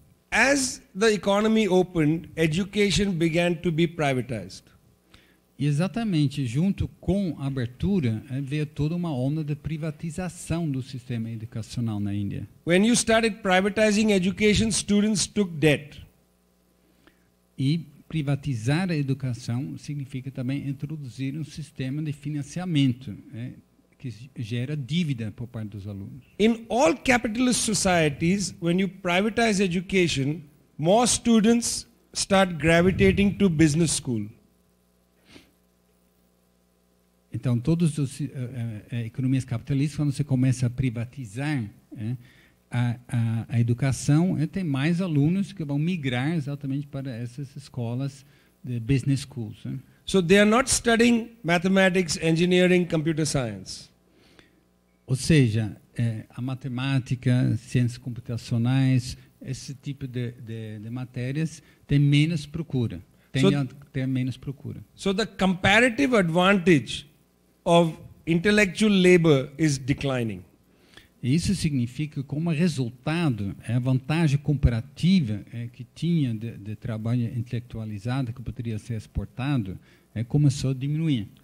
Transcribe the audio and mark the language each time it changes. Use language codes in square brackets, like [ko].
[en] As the economy opened, education began to be privatized. [pt] E exatamente junto com a abertura veio toda uma onda de privatização do sistema educacional na Índia. [en] When you started privatizing education, students took debt. [pt] E privatizar a educação significa também introduzir um sistema de financiamento que gera dívida por parte dos alunos. [en] In all capitalist societies, when you privatize education, more students start gravitating to business school. [pt] Então, todas as economias capitalistas, quando você começa a privatizar a educação, tem mais alunos que vão migrar exatamente para essas escolas de business schools. [en] So they are not studying mathematics, engineering, computer science. [pt] Ou seja, a matemática, ciências computacionais, esse tipo de matérias tem menos procura. tem menos procura. [en] So the comparative advantage of intellectual labor is declining. [pt] Isso significa que, como resultado, a vantagem comparativa que tinha de trabalho intelectualizado que poderia ser exportado começou a diminuir.